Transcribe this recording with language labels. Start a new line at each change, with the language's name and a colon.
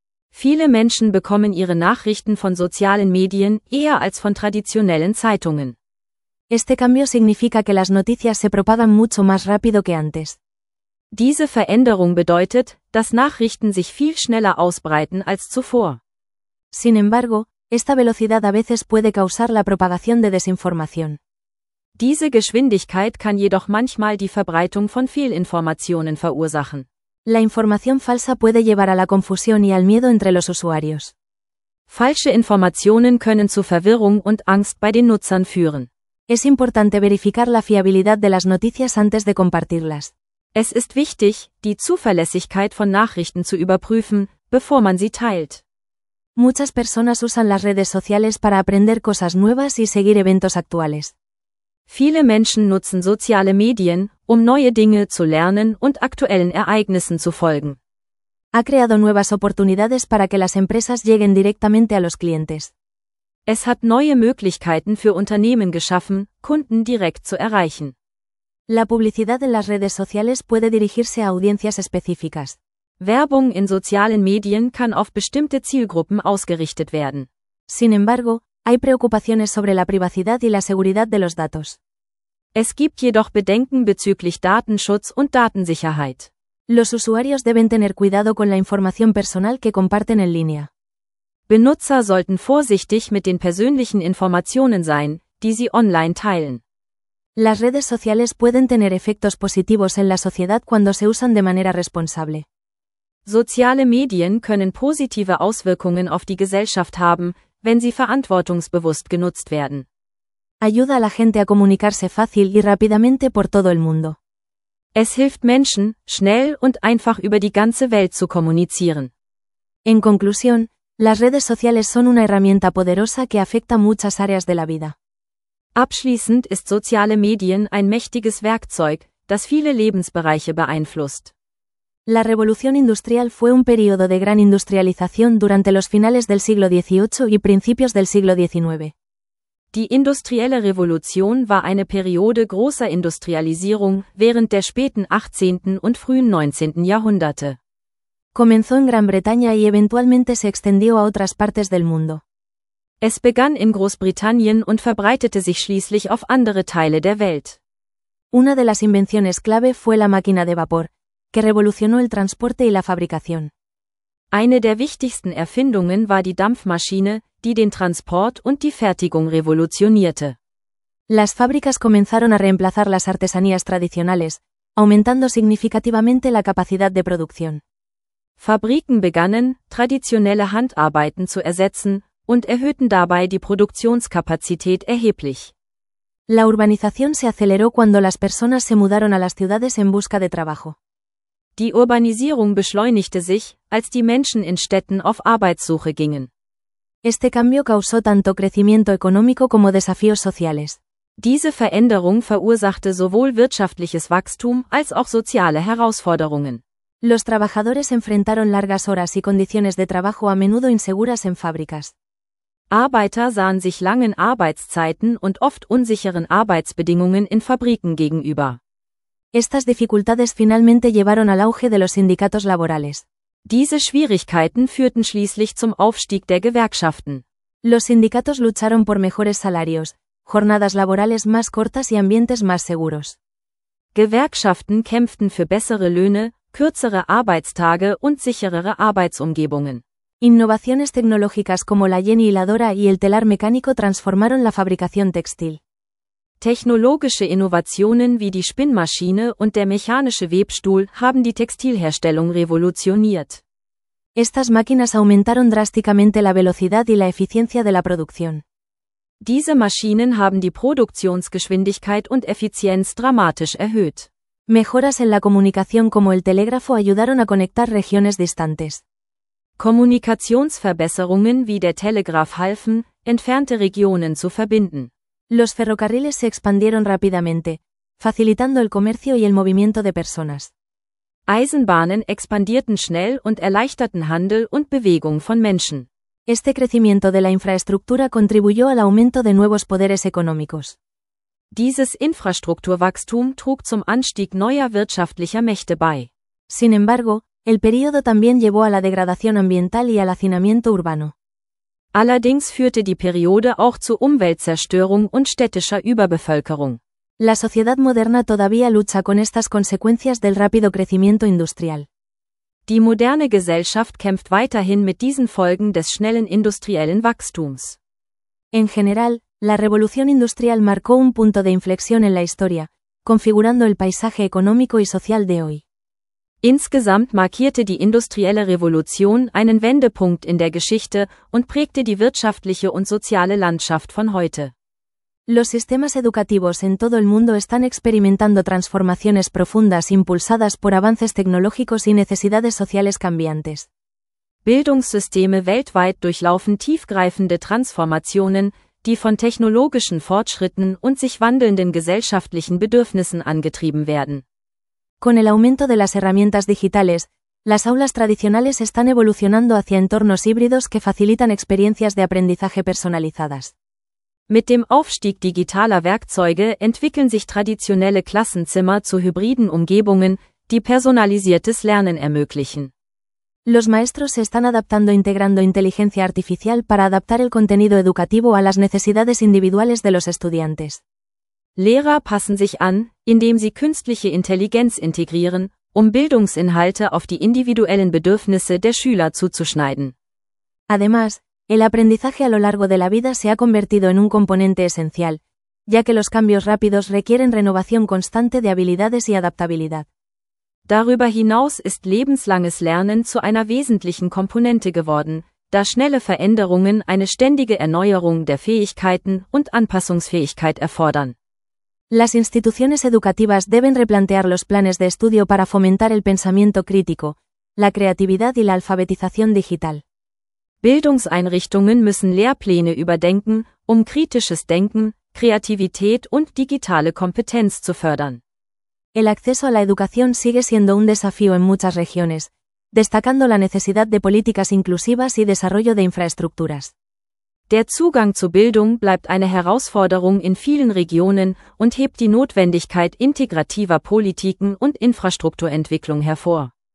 German: Viele Menschen bekommen ihre Nachrichten von sozialen Medien eher als von traditionellen Zeitungen.
Spanish: Este cambio significa que las noticias se propagan mucho más rápido que antes.
German: Diese Veränderung bedeutet, dass Nachrichten sich viel schneller ausbreiten als zuvor.
Spanish: Sin embargo, Esta velocidad a veces puede causar la propagación de desinformación.
German: Diese Geschwindigkeit kann jedoch manchmal die Verbreitung von Fehlinformationen verursachen.
Spanish: La información falsa puede llevar a la confusión y al miedo entre los usuarios.
German: Falsche Informationen können zu Verwirrung und Angst bei den Nutzern führen.
Spanish: Es importante verificar la fiabilidad de las noticias antes de compartirlas.
German: Es ist wichtig, die Zuverlässigkeit von Nachrichten zu überprüfen, bevor man sie teilt.
Spanish: Muchas personas usan las redes sociales para aprender cosas nuevas y seguir eventos actuales.
German: Viele Menschen nutzen soziale Medien, um neue Dinge zu lernen und aktuellen Ereignissen zu folgen.
Spanish: Ha creado nuevas oportunidades para que las empresas lleguen directamente a los clientes.
German: Es hat neue Möglichkeiten für Unternehmen geschaffen, Kunden direkt zu erreichen.
Spanish: La publicidad en las redes sociales puede dirigirse a audiencias específicas.
German: Werbung in sozialen Medien kann auf bestimmte Zielgruppen ausgerichtet werden.
Spanish: Sin embargo, hay preocupaciones sobre la privacidad y la seguridad de los datos.
German: Es gibt jedoch Bedenken bezüglich Datenschutz und Datensicherheit.
Spanish: Los usuarios deben tener cuidado con la información personal que comparten en línea.
German: Benutzer sollten vorsichtig mit den persönlichen Informationen sein, die sie online teilen.
Spanish: Las redes sociales pueden tener efectos positivos en la sociedad cuando se usan de manera responsable.
German: Soziale Medien können positive Auswirkungen auf die Gesellschaft haben, wenn sie verantwortungsbewusst genutzt werden.
Spanish: Ayuda a la gente a comunicarse fácil y rápidamente por todo el mundo.
German: Es hilft Menschen, schnell und einfach über die ganze Welt zu kommunizieren.
Spanish: En conclusión, las redes sociales son una herramienta poderosa que afecta muchas áreas de la vida.
German: Abschließend ist soziale Medien ein mächtiges Werkzeug, das viele Lebensbereiche beeinflusst.
Spanish: La revolución industrial fue un periodo de gran industrialización durante los finales del siglo XVIII y principios del siglo XIX.
German: Die industrielle Revolution war eine Periode großer Industrialisierung während der späten 18. und frühen 19. Jahrhunderte.
Spanish: Comenzó en Gran Bretaña y eventualmente se extendió a otras partes del mundo.
German: Es begann in Großbritannien und verbreitete sich schließlich auf andere Teile der Welt.
Spanish: Una de las invenciones clave fue la máquina de vapor, que revolucionó el transporte y la fabricación.
German: Eine der wichtigsten Erfindungen war die Dampfmaschine, die den Transport und die Fertigung revolutionierte.
Spanish: Las fábricas comenzaron a reemplazar las artesanías tradicionales, aumentando significativamente la capacidad de producción.
German: Fabriken begannen, traditionelle Handarbeiten zu ersetzen und erhöhten dabei die Produktionskapazität erheblich.
Spanish: La urbanización se aceleró cuando las personas se mudaron a las ciudades en busca de trabajo.
German: Die Urbanisierung beschleunigte sich, als die Menschen in Städten auf Arbeitssuche gingen.
Spanish: Este cambio causó tanto crecimiento económico como desafíos sociales.
German: Diese Veränderung verursachte sowohl wirtschaftliches Wachstum als auch soziale Herausforderungen.
Spanish: Los trabajadores enfrentaron largas horas y condiciones de trabajo a menudo inseguras en fábricas.
German: Arbeiter sahen sich langen Arbeitszeiten und oft unsicheren Arbeitsbedingungen in Fabriken gegenüber.
Spanish: Estas dificultades finalmente llevaron al auge de los sindicatos laborales.
German: Diese Schwierigkeiten führten schließlich zum Aufstieg der Gewerkschaften.
Spanish: Los sindicatos lucharon por mejores salarios, jornadas laborales más cortas y ambientes más seguros.
German: Gewerkschaften kämpften für bessere Löhne, kürzere Arbeitstage und sicherere Arbeitsumgebungen.
Spanish: Innovaciones tecnológicas como la Jenny Hiladora y el telar mecánico transformaron la fabricación textil.
German: Technologische Innovationen wie die Spinnmaschine und der mechanische Webstuhl haben die Textilherstellung revolutioniert.
Spanish: Estas máquinas aumentaron drásticamente la velocidad y la eficiencia de la producción.
German: Diese Maschinen haben die Produktionsgeschwindigkeit und Effizienz dramatisch erhöht.
Spanish: Mejoras en la comunicación como el telégrafo ayudaron a conectar regiones distantes.
German: Kommunikationsverbesserungen wie der Telegraph halfen, entfernte Regionen zu verbinden.
Spanish: Los ferrocarriles se expandieron rápidamente, facilitando el comercio y el movimiento de personas.
German: Eisenbahnen expandierten schnell und erleichterten Handel und Bewegung von Menschen.
Spanish: Este crecimiento de la infraestructura contribuyó al aumento de nuevos poderes económicos.
German: Dieses Infrastrukturwachstum trug zum Anstieg neuer wirtschaftlicher Mächte bei.
Spanish: Sin embargo, el periodo también llevó a la degradación ambiental y al hacinamiento urbano.
German: Allerdings führte die Periode auch zu Umweltzerstörung und städtischer Überbevölkerung.
Spanish: La sociedad moderna todavía lucha con estas consecuencias del rápido crecimiento industrial.
German: Die moderne Gesellschaft kämpft weiterhin mit diesen Folgen des schnellen industriellen Wachstums.
Spanish: En general, la revolución industrial marcó un punto de inflexión en la historia, configurando el paisaje económico y social de hoy.
German: Insgesamt markierte die industrielle Revolution einen Wendepunkt in der Geschichte und prägte die wirtschaftliche und soziale Landschaft von heute.
Spanish: Los sistemas educativos en todo el mundo están experimentando transformaciones profundas impulsadas por avances tecnológicos y necesidades sociales cambiantes.
German: Bildungssysteme weltweit durchlaufen tiefgreifende Transformationen, die von technologischen Fortschritten und sich wandelnden gesellschaftlichen Bedürfnissen angetrieben werden.
Spanish: Con el aumento de las herramientas digitales, las aulas tradicionales están evolucionando hacia entornos híbridos que facilitan experiencias de aprendizaje personalizadas.
German: Mit dem Aufstieg digitaler Werkzeuge entwickeln sich traditionelle Klassenzimmer zu hybriden Umgebungen, die personalisiertes Lernen ermöglichen.
Spanish: Los maestros se están adaptando integrando inteligencia artificial para adaptar el contenido educativo a las necesidades individuales de los estudiantes.
German: Lehrer passen sich an, indem sie künstliche Intelligenz integrieren, um Bildungsinhalte auf die individuellen Bedürfnisse der Schüler zuzuschneiden.
Spanish: Además, el aprendizaje a lo largo de la vida se ha convertido en un componente esencial, ya que los cambios rápidos requieren renovación constante de habilidades y adaptabilidad.
German: Darüber hinaus ist lebenslanges Lernen zu einer wesentlichen Komponente geworden, da schnelle Veränderungen eine ständige Erneuerung der Fähigkeiten und Anpassungsfähigkeit erfordern.
Spanish: Las instituciones educativas deben replantear los planes de estudio para fomentar el pensamiento crítico, la creatividad y la alfabetización digital.
German: Bildungseinrichtungen müssen Lehrpläne überdenken, um kritisches Denken, Kreativität und digitale Kompetenz zu fördern.
Spanish: El acceso a la educación sigue siendo un desafío en muchas regiones, destacando la necesidad de políticas inclusivas y desarrollo de infraestructuras.
German: Der Zugang zu Bildung bleibt eine Herausforderung in vielen Regionen und hebt die Notwendigkeit integrativer Politiken und Infrastrukturentwicklung hervor.